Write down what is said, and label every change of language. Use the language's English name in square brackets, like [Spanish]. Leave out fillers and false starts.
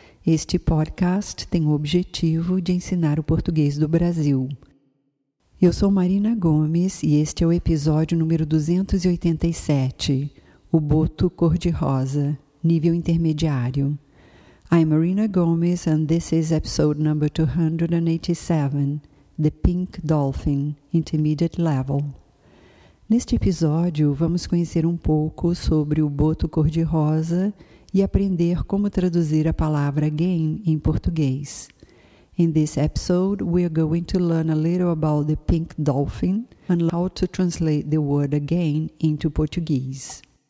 [Portuguese] Este podcast tem o objetivo de ensinar o português do Brasil. Eu sou Marina Gomes e este é o episódio número 287, O Boto Cor-de-Rosa, Nível Intermediário. [English] I'm Marina Gomes and this is episode number 287. The Pink Dolphin, Intermediate Level. [Portuguese] Neste episódio, vamos conhecer um pouco sobre o boto cor-de-rosa e aprender como traduzir a palavra game em português. [English] In this episode, we are going to learn a little about the pink dolphin and how to translate the word again into Portuguese.